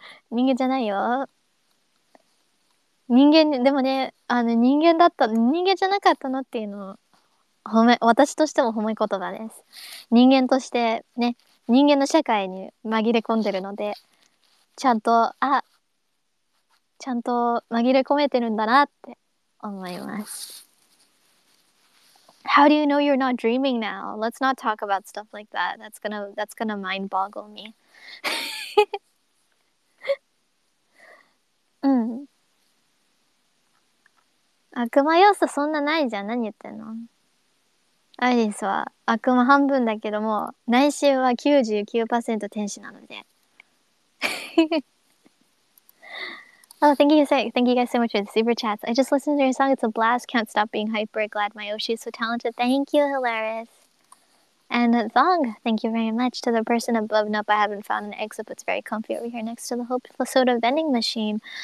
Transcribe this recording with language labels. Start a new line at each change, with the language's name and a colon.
Japanese: 人間じゃないよ。人間でもね、あの人間だった、人間じゃなかったのっていうのを私としても褒め言葉です。人間としてね、人間の社会に紛れ込んでるので、ちゃんと、あ、ちゃんと紛れ込めてるんだなって思います。
English: How do you know you're not dreaming now? Let's not talk about stuff like that. That's gonna mind boggle me.
Japanese: うん、悪魔要素そんなないじゃん、何言ってんの。アイリスは悪魔半分だけども、内心は 99% 天使なので。
English: Oh, thank you guys so much for the super chats. I just listened to your song. It's a blast. Can't stop being hyper. Glad my Yoshi is so talented. Thank you, Hilaris. And Thong, thank you very much. To the person above, nope, I haven't found an exit, but it's very comfy over here next to the Hope Soda vending machine.